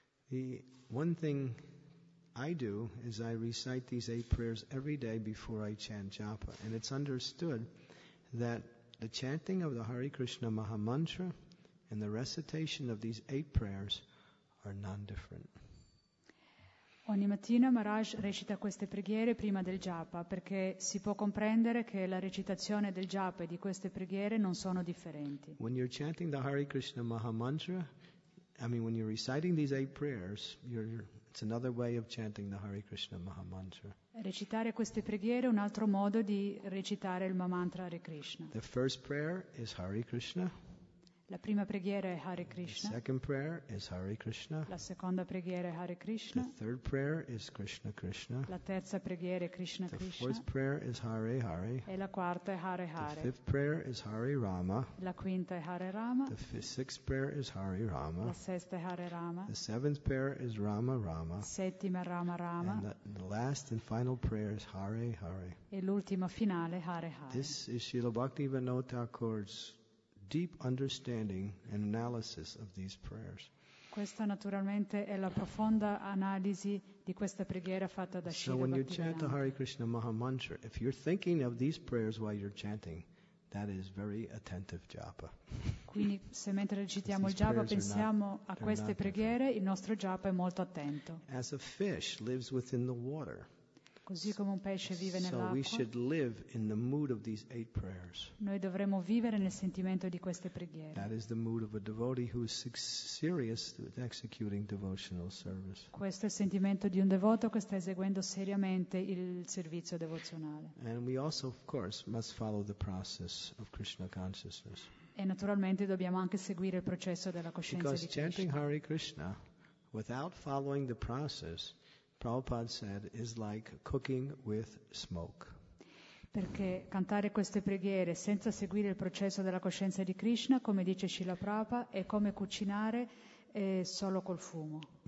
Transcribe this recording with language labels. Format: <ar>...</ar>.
<en>The one thing I do is I recite these eight prayers every day before I chant japa. And it's understood that the chanting of the Hare Krishna Maha Mantra and the recitation of these eight prayers are non-different.</en> <it>Ogni mattina Maharaj recita queste preghiere prima del japa perché si può comprendere che la recitazione del japa e di queste preghiere non sono differenti.</it> <en>When you're chanting the Hare Krishna Maha Mantra, when you're reciting these eight prayers, it's another way of chanting the Hare Krishna Maha Mantra.</en> <it>Recitare queste preghiere è un altro modo di recitare il Mahamantra Hare Krishna.</it> <en>The first prayer is Hare Krishna.</en> <it>La prima preghiera è Hare Krishna.</it> <en>The second prayer is Hare Krishna.</en> <it>La seconda preghiera è Hare Krishna.</it> <en>The third prayer is Krishna Krishna.</en> <it>La terza preghiera è Krishna</it> <en>the</en> <it>Krishna.</it> <en>The fourth prayer is Hare Hare.</en> <it>E la quarta è Hare Hare.</it> <en>The fifth prayer is Hare Rama.</en> <it>La quinta è Hare Rama.</it> <en>The sixth prayer is Hare Rama.</en> <it>La sesta è Hare Rama.</it> <en>The seventh prayer is Rama Rama.</en> <it>Settima Rama Rama.</it> <en>And the last and final prayer is Hare Hare.</en> <it>E l'ultima finale Hare Hare.</it> <en>This is Srila Bhaktivinoda Thakur's deep understanding and analysis of these prayers.</en> <it>Questa naturalmente è la profonda analisi di questa preghiera fatta da Shiva.</it> <en>So when you chant the Hare Krishna Maha Mantra, if you're thinking of these prayers while you're chanting, that is very attentive japa.</en> <it>Quindi se mentre recitiamo il japa pensiamo a queste preghiere, il nostro japa è molto attento.</it> <en>As a fish lives within the water.</en> <it>Così come un pesce vive nell'acqua.</it> <en>So we should live in the mood of these eight prayers.</en> <it>Noi dovremmo vivere nel sentimento di queste preghiere.</it> <en>That is the mood of a devotee who is serious with executing devotional service.</en> <it>Questo è il sentimento di un devoto che sta eseguendo seriamente il servizio devozionale.</it> <en>And we also, of course, must follow the process of Krishna consciousness.</en> <it>E naturalmente dobbiamo anche seguire il processo della coscienza di Krishna.</it> <en>Because chanting Hare Krishna without following the process, Prabhupada said, is like cooking with smoke.</en> <it>Perché cantare queste preghiere senza seguire il processo della coscienza di Krishna, come dice Srila Prabhupada, è come cucinare solo col fumo,</it>